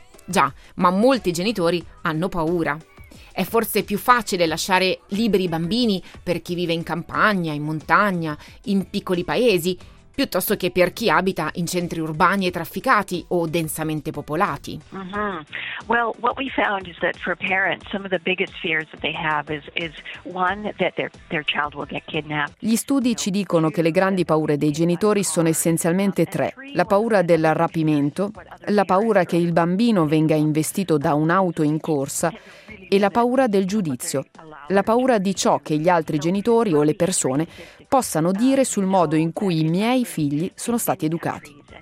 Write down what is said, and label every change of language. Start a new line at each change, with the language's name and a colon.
Italian: Già, ma molti genitori hanno paura. È forse più facile lasciare liberi i bambini per chi vive in campagna, in montagna, in piccoli paesi, piuttosto che per chi abita in centri urbani e trafficati o densamente popolati.
English: Well, what we found is that for parents, some of the biggest fears that they have is one that their child will get kidnapped.
Italian: Gli studi ci dicono che le grandi paure dei genitori sono essenzialmente tre: la paura del rapimento, la paura che il bambino venga investito da un'auto in corsa e la paura del giudizio, la paura di ciò che gli altri genitori o le persone possano dire sul modo in cui i miei figli sono stati educati.